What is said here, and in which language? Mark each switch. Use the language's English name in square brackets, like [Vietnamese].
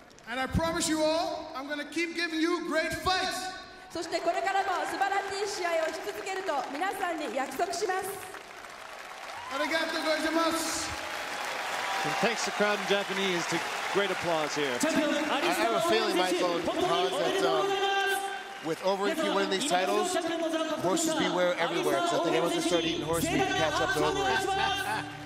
[English] And I promise you all, I'm going to keep giving you great fights. [Japanese] そしてこれからも素晴らしい試合をし続けると皆さんに約束します。 Arigato gozaimasu. [English] And thanks to the crowd in Japanese to great applause here. I have a feeling, with Overeem, if you win these titles, horses beware everywhere. So I think everyone's going to start eating horse meat to catch up to Overeem.